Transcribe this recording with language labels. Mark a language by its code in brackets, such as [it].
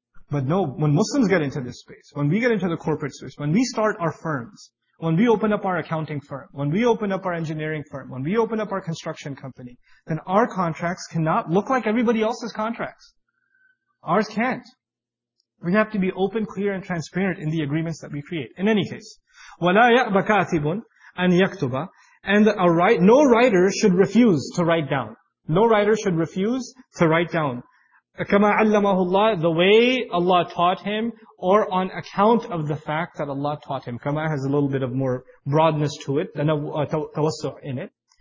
[en] But no, when Muslims get into this space, when we get into the corporate space, when we start our firms, when we open up our accounting firm, when we open up our engineering firm, when we open up our construction company, then our contracts cannot look like everybody else's contracts. Ours can't. We have to be open, clear, and transparent in the agreements that we create. In any case, [ar] وَلَا يَأْبَ كَاتِبٌ أَنْ يَكْتُبَ. [en] And no writer should refuse to write down. No writer should refuse to write down. [ar] كَمَا عَلَّمَهُ اللَّهُ, [en] the way Allah taught him, or on account of the fact that Allah taught him. كَمَا has a little bit of more broadness to it, تَوَسُّع in it.